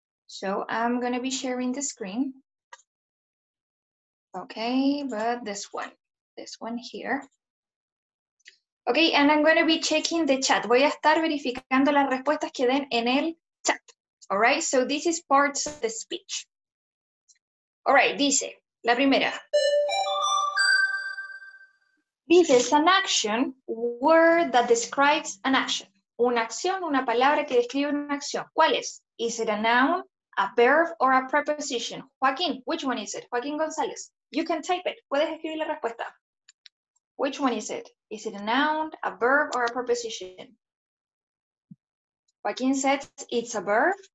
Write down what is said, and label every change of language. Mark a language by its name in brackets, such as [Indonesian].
[English] So, I'm going to be sharing the screen. Okay, but this one here. Okay, and I'm going to be checking the chat. [Spanish] Voy a estar verificando las respuestas que den en el chat. [English] All right, so this is part of the speech. All right, [Spanish] dice, la primera. [English] This is an action, word that describes an action. [Spanish] Una acción, una palabra que describe una acción. ¿Cuál es? [English] Is it a noun, a verb, or a preposition? Joaquín, which one is it? Joaquín González, you can type it. [Spanish] Puedes escribir la respuesta. [English] Which one is it? Is it a noun, a verb, or a preposition? Joaquín says it's a verb.